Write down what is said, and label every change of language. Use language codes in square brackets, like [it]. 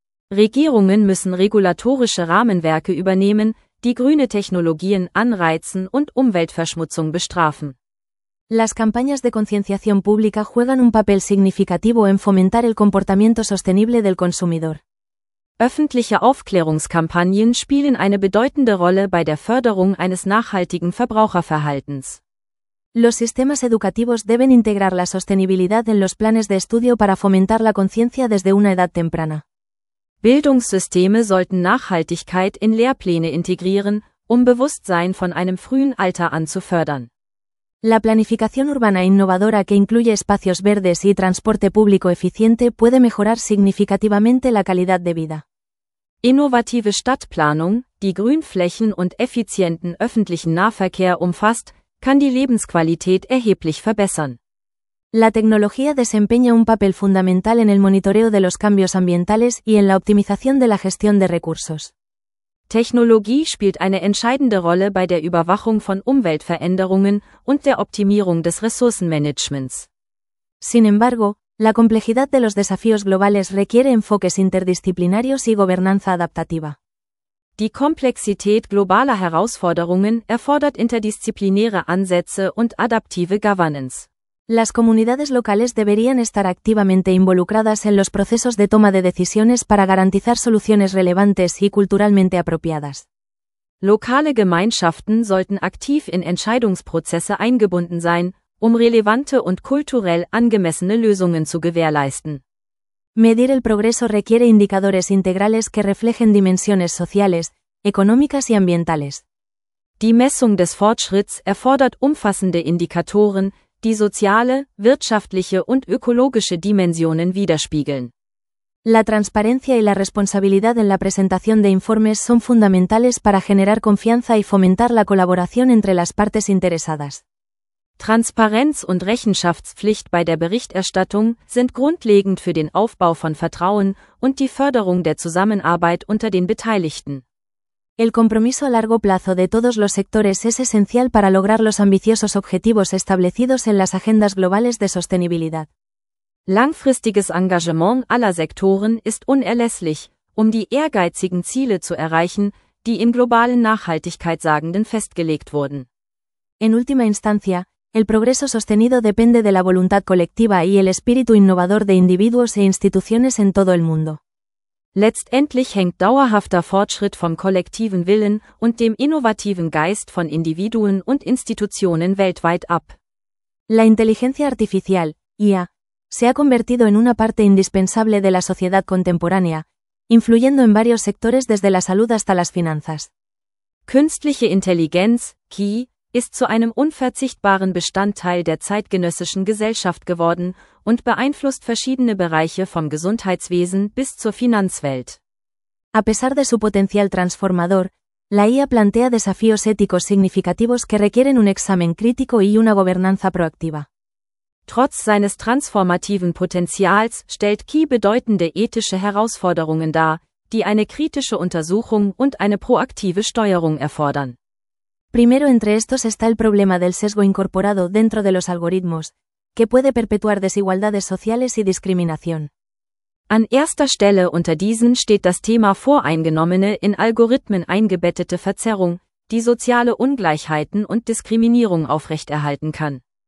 [de] Regierungen müssen regulatorische Rahmenwerke übernehmen, die grüne Technologien anreizen und Umweltverschmutzung bestrafen. [es] Las campañas de concienciación pública juegan un papel significativo en fomentar el comportamiento sostenible del consumidor. [de] Öffentliche Aufklärungskampagnen spielen eine bedeutende Rolle bei der Förderung eines nachhaltigen Verbraucherverhaltens. [es] Los sistemas educativos deben integrar la sostenibilidad en los planes de estudio para fomentar la conciencia desde una edad temprana. [de] Bildungssysteme sollten Nachhaltigkeit in Lehrpläne integrieren, um Bewusstsein von einem frühen Alter an zu fördern. [es] La planificación urbana innovadora que incluye espacios verdes y transporte público eficiente puede mejorar significativamente la calidad de vida. [de] Innovative Stadtplanung, die Grünflächen und effizienten öffentlichen Nahverkehr umfasst, kann die Lebensqualität erheblich verbessern. [es] La tecnología desempeña un papel fundamental en el monitoreo de los cambios ambientales y en la optimización de la gestión de recursos. [de] Technologie spielt eine entscheidende Rolle bei der Überwachung von Umweltveränderungen und der Optimierung des Ressourcenmanagements. [es] Sin embargo, la complejidad de los desafíos globales requiere enfoques interdisciplinarios y gobernanza adaptativa. [de] Die Komplexität globaler Herausforderungen erfordert interdisziplinäre Ansätze und adaptive Governance. [es] Las comunidades locales deberían estar activamente involucradas en los procesos de toma de decisiones para garantizar soluciones relevantes y culturalmente apropiadas. [de] Lokale Gemeinschaften sollten aktiv in Entscheidungsprozesse eingebunden sein, um relevante und kulturell angemessene Lösungen zu gewährleisten. [es] Medir el progreso requiere indicadores integrales que reflejen dimensiones sociales, económicas y ambientales. [de] Die Messung des Fortschritts erfordert umfassende Indikatoren, die soziale, wirtschaftliche und ökologische Dimensionen widerspiegeln. [es] La transparencia y la responsabilidad en la presentación de informes son fundamentales para generar confianza y fomentar la colaboración entre las partes interesadas. [de] Transparenz und Rechenschaftspflicht bei der Berichterstattung sind grundlegend für den Aufbau von Vertrauen und die Förderung der Zusammenarbeit unter den Beteiligten. [es] El compromiso a largo plazo de todos los sectores es esencial para lograr los ambiciosos objetivos establecidos en las agendas globales de sostenibilidad. [de] Langfristiges Engagement aller Sektoren ist unerlässlich, um die ehrgeizigen Ziele zu erreichen, die im globalen Nachhaltigkeitssagenden festgelegt wurden. [es] En última instancia, el progreso sostenido depende de la voluntad colectiva y el espíritu innovador de individuos e instituciones en todo el mundo. [de] Letztendlich hängt dauerhafter Fortschritt vom kollektiven Willen und dem innovativen Geist von Individuen und Institutionen weltweit ab. [es] La inteligencia artificial, IA, se ha convertido en una parte indispensable de la sociedad contemporánea, influyendo en varios sectores desde la salud hasta las finanzas. [de] Künstliche Intelligenz, KI, ist zu einem unverzichtbaren Bestandteil der zeitgenössischen Gesellschaft geworden und beeinflusst verschiedene Bereiche vom Gesundheitswesen bis zur Finanzwelt. [es] A pesar de su potencial transformador, la IA plantea desafíos éticos significativos que requieren un examen crítico y una gobernanza proactiva. [de] Trotz seines transformativen Potenzials stellt KI bedeutende ethische Herausforderungen dar, die eine kritische Untersuchung und eine proaktive Steuerung erfordern. [es] Primero entre estos está el problema del sesgo incorporado dentro de los algoritmos, que puede perpetuar desigualdades sociales y discriminación. [de] An erster Stelle unter diesen steht das Thema voreingenommene, in Algorithmen eingebettete Verzerrung, die soziale Ungleichheiten und Diskriminierung aufrechterhalten kann.